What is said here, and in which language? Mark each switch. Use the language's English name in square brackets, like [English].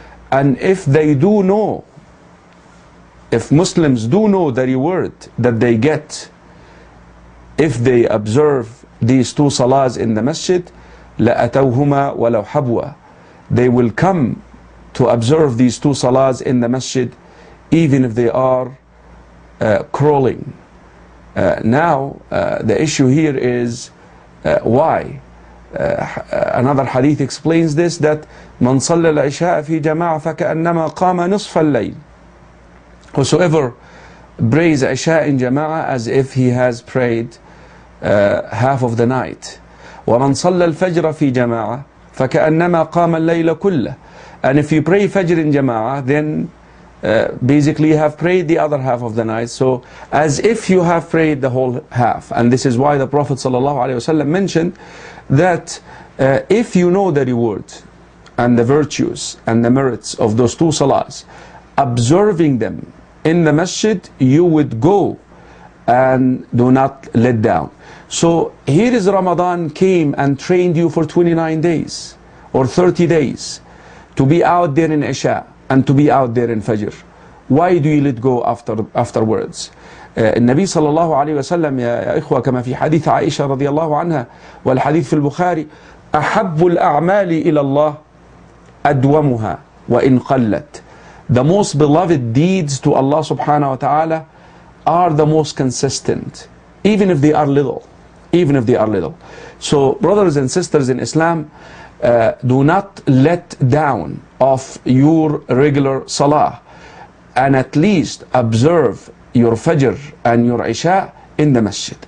[English] And if they do know, if Muslims do know the reward that they get if they observe these two salahs in the masjid, [Arabic] لَأَتَوْهُمَا وَلَوْ حَبْوَى, [English] they will come to observe these two salahs in the masjid even if they are crawling. The issue here is why? Another hadith explains this, that [Arabic] من صلى العشاء في جماعة فكأنما قام نصف الليل. [English] Whosoever prays عشاء in جماعة as if he has prayed half of the night. [Arabic] ومن صلى الفجر في جماعة فكأنما قام الليل كله. [English] And if you pray Fajr in جماعة, then basically you have prayed the other half of the night, so as if you have prayed the whole half. And this is why the Prophet صلى الله عليه وسلم mentioned that if you know the reward and the virtues and the merits of those two salahs, observing them in the masjid, you would go and do not let down. So here is Ramadan came and trained you for 29 days or 30 days to be out there in Isha and to be out there in Fajr. Why do you let go afterwards? [Arabic] النبي صلى الله عليه وسلم يا إخوة كما في حديث عائشة رضي الله عنها والحديث في البخاري أحب الأعمال إلى الله أدومها وإن قلت. [English] The most beloved deeds to Allah subhanahu wa ta'ala are the most consistent, even if they are little, even if they are little. So brothers and sisters in Islam, do not let down of your regular salah, and at least observe your Fajr and your Isha in the masjid.